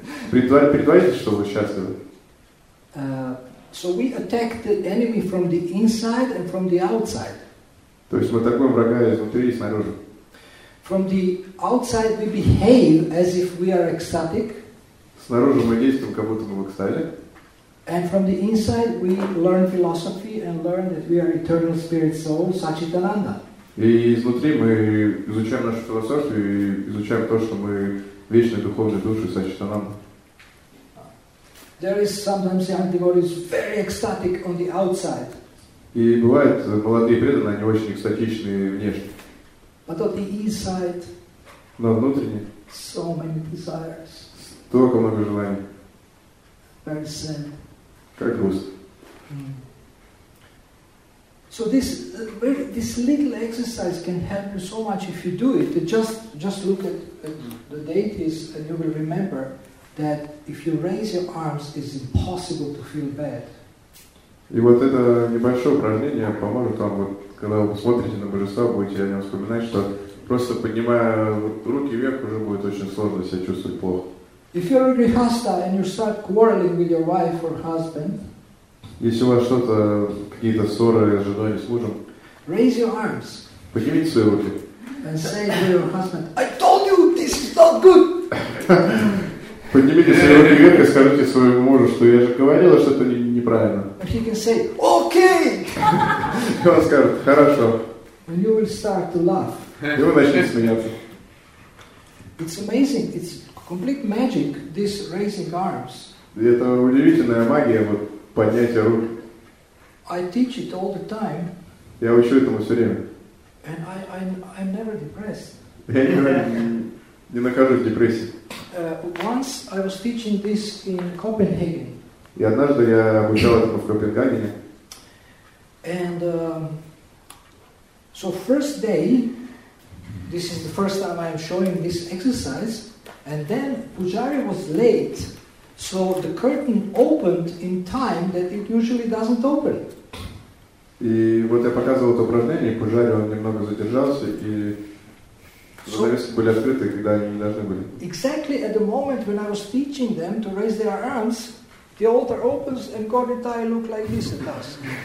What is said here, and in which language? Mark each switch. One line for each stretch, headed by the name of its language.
Russian: Притворитесь, что вы счастливы.
English: So we attack the enemy from the inside and from the outside.
Russian: То есть мы атакуем врага изнутри и снаружи.
English: From the outside we behave as if we are ecstatic.
Russian: Снаружи мы действуем, как будто мы в экстазе.
English: And from the inside we learn philosophy and learn that we are eternal spirit soul, Satchitananda.
Russian: И изнутри мы изучаем нашу философию и изучаем то, что мы вечные духовные души, Сачитананда.
English: There is sometimes young devotees very ecstatic on the outside.
Russian: И бывают молодые преданные, они очень экстатичные внешне.
English: But on the inside.
Russian: Но внутренне.
English: So many desires.
Russian: Столько много желаний.
English: Very sad.
Russian: Как грустно.
English: So this little exercise can help you so much if you do it. Just look at the deities and you will remember that if you raise your arms, it's impossible to feel bad.
Russian: И вот это небольшое упражнение поможет вам, вот, когда вы смотрите на божества, будете о нем вспоминать, что просто поднимая руки вверх, уже будет очень сложно себя чувствовать плохо.
English: If you're a grihastha and you start quarreling with your wife or husband,
Russian: если у вас что-то, какие-то ссоры с женой или с мужем,
English: raise your arms.
Russian: Поднимите свои руки.
English: And say to your husband, I told you this is not good.
Russian: Поднимите свои руки вверх и скажите своему мужу, что я же говорила, что это неправильно.
English: And he can say, okay.
Russian: И он скажет, хорошо.
English: And you will start to laugh.
Russian: И вы начнете смеяться.
English: It's amazing. It's complete magic, this raising arms.
Russian: И это удивительная магия, вот поднятие рук.
English: I teach it all the time.
Russian: Я учу этому все время.
English: And I'm never depressed.
Russian: Не нахожусь в депрессии.
English: Once I was teaching this in Copenhagen.
Russian: И однажды я обучал этому в Копенгагене.
English: And so first day, this is the first time I am showing this exercise, and then Pujari was late, so the curtain opened in time that it usually doesn't open.
Russian: И вот я показывал это упражнение, и Пуджари он немного задержался и. So, занавески были открыты, когда они не должны были.
English: Exactly at the moment when I was teaching them to raise their arms, The altar opens and God and I look like this at us.